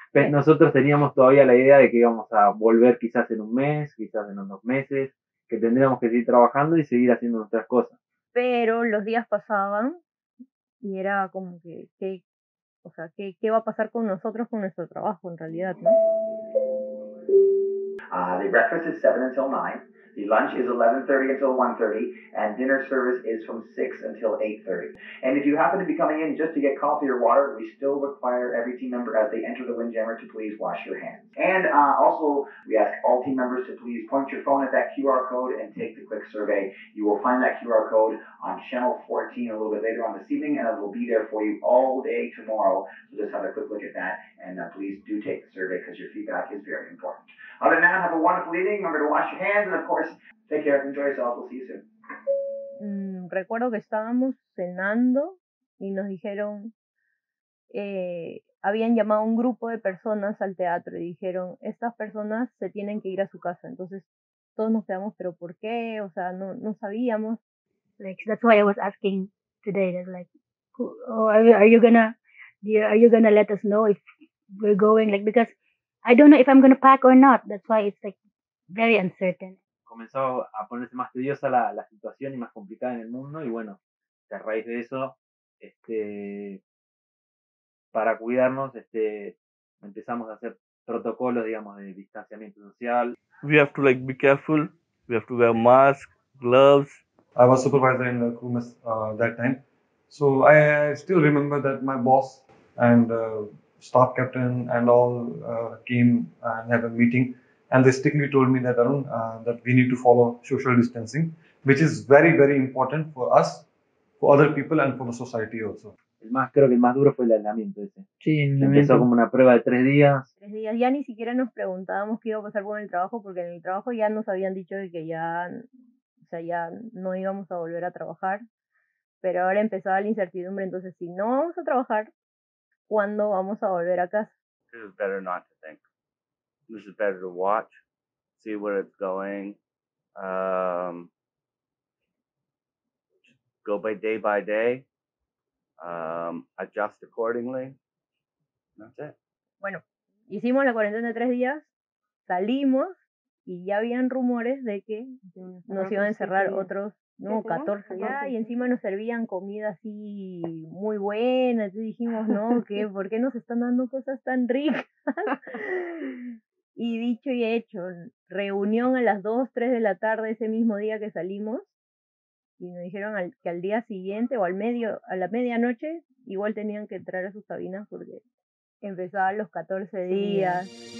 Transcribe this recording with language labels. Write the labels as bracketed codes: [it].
[es] Nosotros teníamos todavía la idea de que íbamos a volver quizás en un mes, quizás en unos meses, que tendríamos que seguir trabajando y seguir haciendo nuestras cosas. Pero los días pasaban y era como que o sea, ¿qué va a pasar con nosotros, con nuestro trabajo en realidad, no? [en] The breakfast is 7 until 9. The lunch is 11:30 until 1:30, and dinner service is from 6 until 8:30. And if you happen to be coming in just to get coffee or water, we still require every team member as they enter the windjammer to please wash your hands. And also, we ask all team members to please point your phone at that QR code and take the quick survey. You will find that QR code on channel 14 a little bit later on this evening, and it will be there for you all day tomorrow. So just have a quick look at that, and please do take the survey because your feedback is very important. Other than that, have a wonderful evening. Remember to wash your hands, and of course, take care. Enjoy yourself. We'll see you soon. [es] Recuerdo que estábamos cenando y nos dijeron, habían llamado a un grupo de personas al teatro y dijeron, estas personas se tienen que ir a su casa. Entonces, todos nos quedamos, pero ¿por qué? O sea, no sabíamos. [en] Like, that's why I was asking today, that like, are you gonna let us know if we're going? Like, because I don't know if I'm gonna pack or not. That's why it's like very uncertain. [es] comenzó a ponerse más tediosa la situación y más complicada en el mundo, y bueno, a raíz de eso, para cuidarnos, empezamos a hacer protocolos, digamos, de distanciamiento social. [en] We have to like be careful, we have to wear masks, gloves. I was supervisor in the crew mess that time, so I still remember that my boss and staff captain and all came and had a meeting, and they strictly told me that Arun, that we need to follow social distancing, which is very, very important for us, for other people and for the society also. [es] El más, creo que el más duro fue el aislamiento ese. Sí, aislamiento. Empezó como una prueba de tres días. Tres días, ya ni siquiera nos preguntábamos qué iba a pasar con el trabajo, porque en el trabajo ya nos habían dicho que ya, o sea, ya no íbamos a volver a trabajar, pero ahora empezaba la incertidumbre, entonces si no vamos a trabajar, ¿cuándo vamos a volver a casa? [en] This is better not to think. This is better to watch, see where it's going, go by day, adjust accordingly. That's it. [es] Bueno, hicimos la cuarentena de tres días, salimos y ya habían rumores de que nos iban a encerrar otros, no, 14 ya, y encima nos servían comida así muy buena, entonces dijimos, no, ¿qué? ¿Por qué nos están dando cosas tan ricas? Y dicho y hecho, reunión a las 2, 3 de la tarde ese mismo día que salimos, y nos dijeron que al día siguiente o al medio, a la medianoche, igual tenían que entrar a sus cabinas porque empezaban los 14 días.